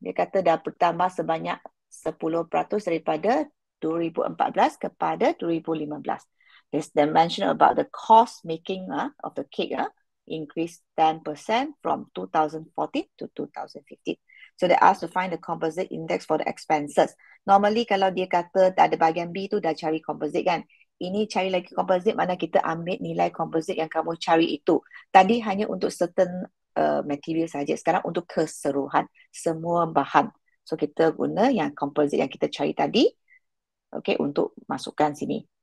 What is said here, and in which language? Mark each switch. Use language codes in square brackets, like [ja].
[ms] Dia kata dah bertambah sebanyak 10% daripada 2014 kepada 2015. [en] This dimension about the cost making of the cake increased 10% from 2014 to 2015. So they asked to find the composite index for the expenses. [ms] Normally kalau dia kata ada bahagian B tu dah cari composite kan. Ini cari lagi composite, mana kita ambil nilai composite yang kamu cari itu. Tadi hanya untuk certain material saja. Sekarang untuk keseluruhan semua bahan. So kita guna yang composite yang kita cari tadi. Okay, untuk masukkan sini.